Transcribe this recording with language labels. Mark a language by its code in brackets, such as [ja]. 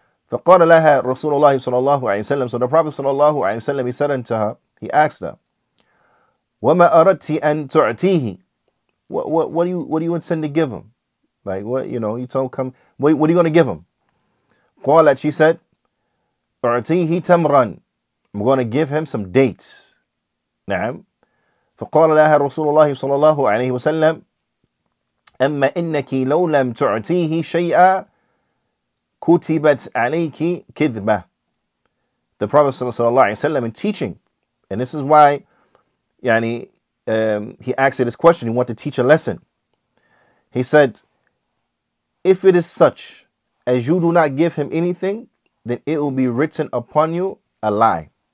[ar] فقال لها رسول الله صلى الله عليه وسلم, [en] so the Prophet صلى الله عليه وسلم, he said unto her, he asked her, [ar] وما أردت أن تعطيه, [en] what do you intend to give him? Like, what, you know, you told him, come, what are you going to give him? قالت, she said, [ar] أعطيه تمرًا, [en] I'm going to give him some dates. [ar] نعم. فقال لها رسول الله صلى الله عليه وسلم أما إنك لو لم تعطيه شيئا كتبت عليك كذبة. [en] The Prophet صلى الله عليه وسلم in teaching, and this is why يعني, he asked this question, he wanted to teach a lesson. He said, if it is such as you do not give him anything, then it will be written upon you a lie.